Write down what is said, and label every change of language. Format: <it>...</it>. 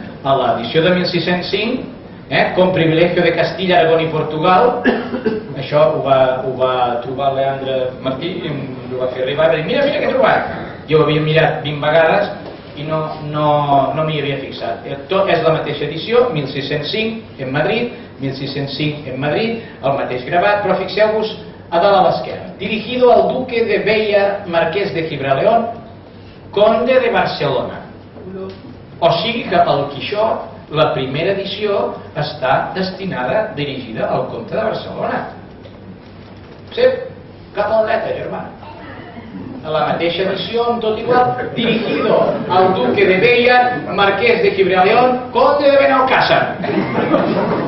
<ca>A l'edició de 1605,</ca> <es>Con privilegio de</es> <ca>Castilla, Aragón y Portugal, això ho va trobar Leandre Martí i ho va fer arribar, va dir, mira què he trobat. Jo ho havia mirat 20 vegades i no m'hi havia fixat. Tot és la mateixa edició, 1605 en Madrid, 1605 en Madrid, el mateix gravat, però fixeu-vos a dalt a l'esquerra.</ca> <es>Dirigido al duque de Beia, marqués de Gibraleón, conde de Barcelona.</es> <ca>O sigui que el Quixot, la primera edició està destinada, dirigida al comte de Barcelona. Sí, cap a la dreta, germà. A la mateixa edició, amb tot igual,</ca> <es>dirigido al duque de Beia, marqués de Gibraleón, conde de Benalcàssar.</es>